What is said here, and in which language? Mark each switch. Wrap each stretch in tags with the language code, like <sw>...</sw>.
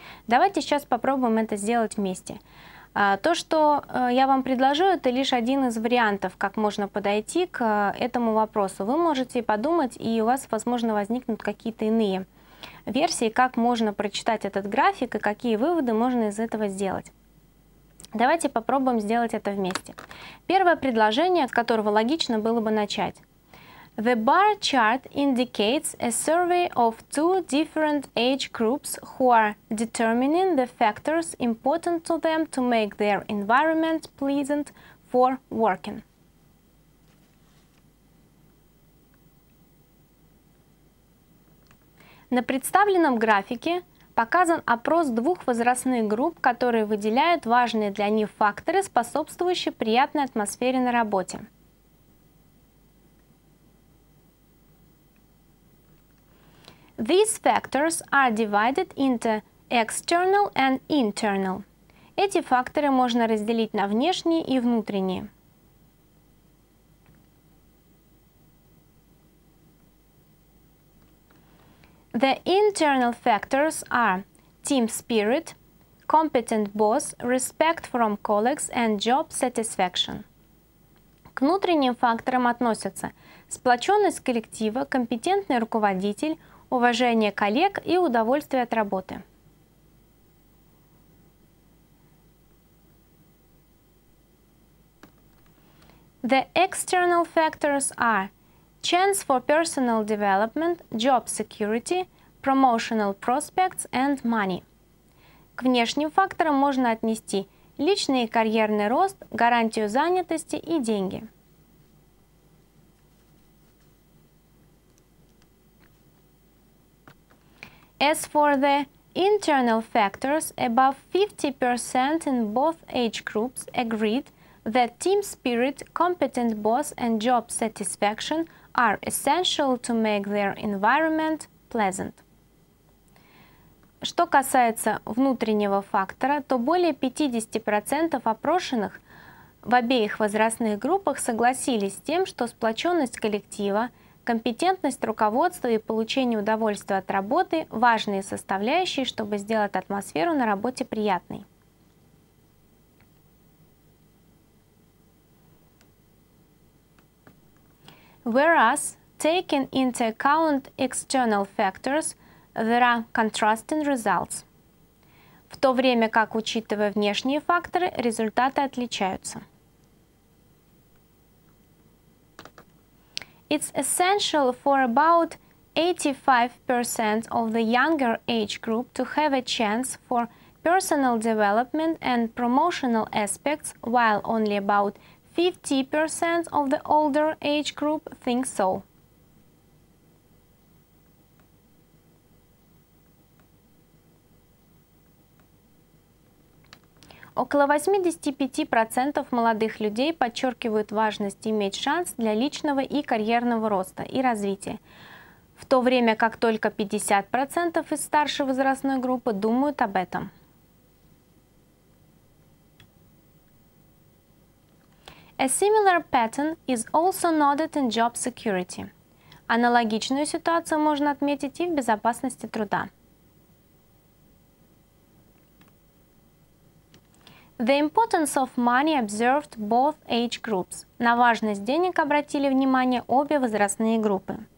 <ru>Давайте сейчас попробуем это сделать вместе. То, что я вам предложу, это лишь один из вариантов, как можно подойти к этому вопросу. Вы можете подумать, и у вас, возможно, возникнут какие-то иные версии, как можно прочитать этот график и какие выводы можно из этого сделать. Давайте попробуем сделать это вместе. Первое предложение, с которого логично было бы начать.</ru> <en>The bar chart indicates a survey of two different age groups who are determining the factors important to them to make their environment pleasant for working.</en> <ru>На представленном графике показан опрос двух возрастных групп, которые выделяют важные для них факторы, способствующие приятной атмосфере на работе.</ru> <en>These factors are divided into external and internal.</en> <ru>Эти факторы можно разделить на внешние и внутренние.</ru> <en>The internal factors are team spirit, competent boss, respect from colleagues and job satisfaction.</en> <ru>К внутренним факторам относятся сплоченность коллектива, компетентный руководитель, уважение коллег и удовольствие от работы.</ru> <en>The external factors are chance for personal development, job security, promotional prospects and money.</en> <ru>К внешним факторам можно отнести личный и карьерный рост, гарантию занятости и деньги.</ru> <en>As for the internal factors, above 50% in both age groups agreed that team spirit, competent boss and job satisfaction are essential to make their environment pleasant.</en> <ru>Что касается внутреннего фактора, то более 50% опрошенных в обеих возрастных группах согласились с тем, что сплоченность коллектива, компетентность руководства и получение удовольствия от работы – важные составляющие, чтобы сделать атмосферу на работе приятной.</ru> <en>Whereas, taking into account external factors, there are contrasting results.</en> <ru>В то время как, учитывая внешние факторы, результаты отличаются.</ru> <en>It's essential for about 85% of the younger age group to have a chance for personal development and promotional aspects, while only about 50% of the older age group think so.</en> <ru>Около 85% молодых людей подчеркивают важность иметь шанс для личного и карьерного роста и развития, в то время как только 50% из старшей возрастной группы думают об этом.</ru> <en>A similar pattern is also noted in job security.</en> <ru>Аналогичную ситуацию можно отметить и в безопасности труда.</ru> <en>The importance of money observed both age groups.</en> <ru>На важность денег обратили внимание обе возрастные группы.</ru>